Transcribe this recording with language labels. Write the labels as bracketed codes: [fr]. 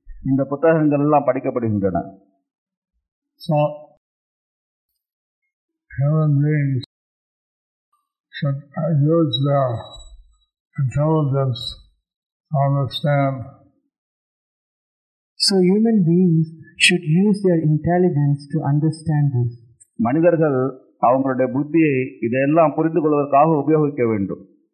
[ta] இந்த புத்தகங்கள் எல்லாம் படிக்கப்படுகின்றன. [en] So, human beings should use their intelligence to understand. So, human beings should use their intelligence to understand this. [ta] மனிதர்கள் அவங்களுடைய புத்தியை இதெல்லாம் புரிந்து கொள்வதற்காக உபயோகிக்க வேண்டும்.